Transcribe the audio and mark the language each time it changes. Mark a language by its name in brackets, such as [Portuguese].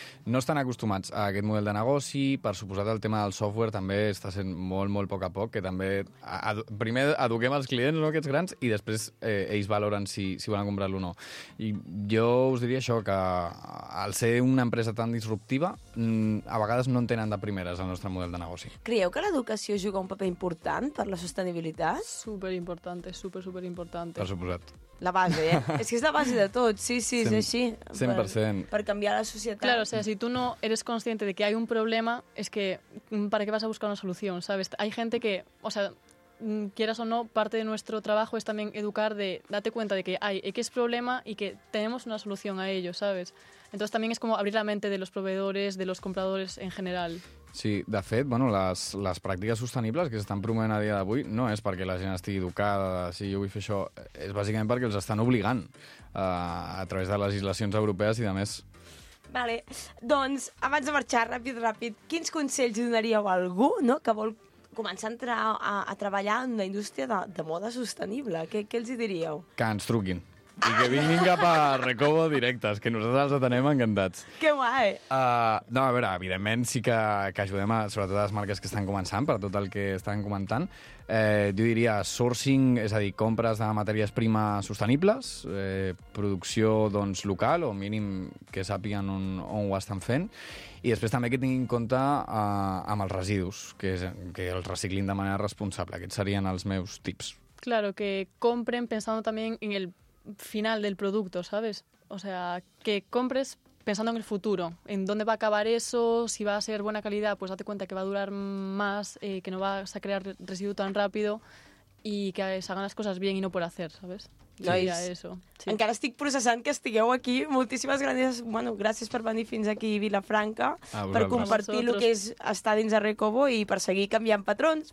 [Catalan] No estan acostumats a aquest model de negoci, per suposat el tema del software també està sent molt, molt poc a poc, que també primer eduquem els clients, no, aquests grans, i després ells valoren si volen comprar-lo o no. I jo us diria això, que al ser una empresa tan disruptiva, a vegades no entenen de primeres el nostre model de negoci. Creieu que l'educació juga un paper important per la sostenibilitat? [Spanish] Superimportante, superimportante. [Catalan] Per suposat. [Spanish] La base, ¿eh? Es que es la base de todo, sí, 100%. Es así. 100%. Para cambiar la sociedad. Claro, o sea, si tú no eres consciente de que hay un problema, es que, ¿para qué vas a buscar una solución, sabes? Hay gente que, o sea, quieras o no, parte de nuestro trabajo es también educar de, date cuenta de que hay X problema y que tenemos una solución a ello, ¿sabes? Entonces también es como abrir la mente de los proveedores, de los compradores en general. [Catalan] Sí, de fet, bueno, les pràctiques sostenibles que s'estan promovent a dia d'avui no és perquè la gent estigui educada, si jo vull fer això, és bàsicament perquè els estan obligant a través de legislacions europees i de més. Vale, doncs, abans de marxar, ràpid, quins consells donaríeu a algú, no, que vol començar a entrar a treballar en la indústria de moda sostenible? Què els hi diríeu? Que ens truquin. I que vinguin cap a Recobo directes, que nosaltres els atenem encantats. Que guai! No, a veure, evidentment sí que ajudem, sobretot a les marques que estan començant, per tot el que estan comentant. Jo diria sourcing, és a dir, compres de matèries primes sostenibles, producció doncs, local, o mínim que sàpiguen on ho estan fent, i després també que tinguin en compte amb els residus, que els reciclin de manera responsable. Aquests serien els meus tips. [Spanish] Claro, que compren pensando también en el final del producto, ¿sabes? O sea, que compres pensando en el futuro, en dónde va a acabar eso, si va a ser buena calidad, pues date cuenta que va a durar más, que no vas a crear residuo tan rápido y que se hagan las cosas bien y no por hacer, ¿sabes? [Catalan] Sí. Encara estic processant que estigueu aquí. Moltíssimes gràcies, bueno, gràcies per venir fins aquí a Vilafranca, per compartir el que és estar dins de Recobo i per seguir canviant patrons.